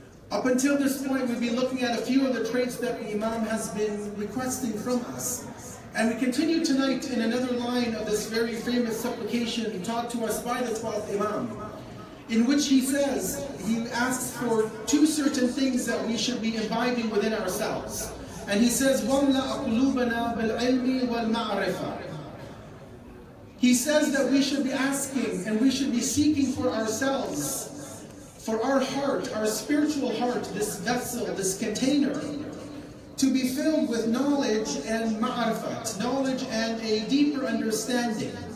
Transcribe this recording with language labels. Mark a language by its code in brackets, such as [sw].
[en] Up until this point, we've been looking at a few of the traits that the Imam has been requesting from us. And we continue tonight in another line of this very famous supplication taught to us by the 12th Imam, in which he says, he asks for two certain things that we should be imbibing within ourselves. And he says, [ar] وَمْلَا أَقْلُوبَنَا بِالْعِلْمِ وَالْمَعْرِفَةِ. [en] He says that we should be asking and we should be seeking for ourselves, for our heart, our spiritual heart, this vessel, this container, to be filled with knowledge and ma'rifat, knowledge and a deeper understanding.